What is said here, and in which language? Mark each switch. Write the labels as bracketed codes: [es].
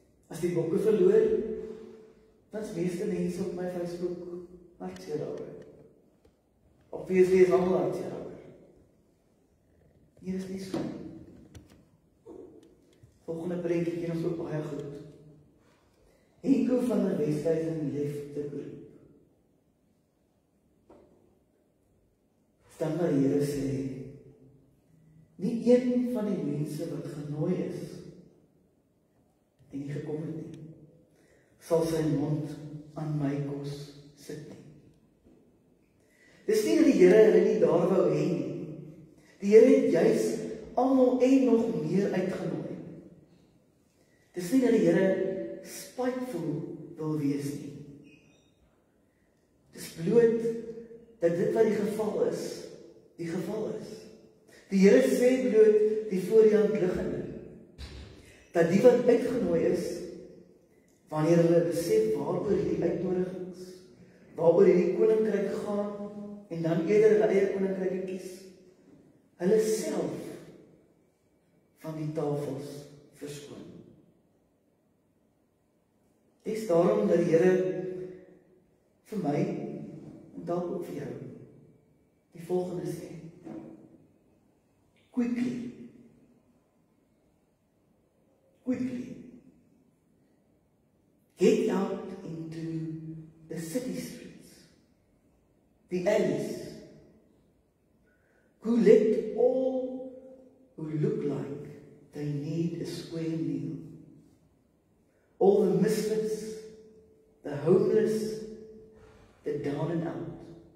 [af] As die bokke verloor, dan is meeste mense op my Facebook hartseer daar. Op PSD is allemaal hartseer daar. Hier is nie so. Volgende prentjie ken ons ook baie goed. Henko van die Westwijzing leef te groep. Stam na Heere sê, nie een van die mense wat genooi is, en nie gekom het nie, sal sy mond aan my kos sit nie. Dis nie dat die Heere hulle nie daar wou heen nie. Die Heere het juist almal en nog meer uitgenooi. Dis nie dat die Heere spiteful wil wees nie. Dis bloot dat dit wat die geval is, die geval is. Die Heere sê bloot die voor die hand liggende, dat die wat uitgenooi is, wanneer hulle besef waaroor die uitnodigings, waaroor die koninkryk gaan, en dan eerder hulle eie koninkryk kies, hulle self van die tafels verskoon. Dit is daarom dat die Heere vir my, en dalk ook vir jou, die volgende sê, [en] Quickly. Get out into the city streets, the alleys, collect all who look like they need a square meal. All the misfits, the homeless, the down and out.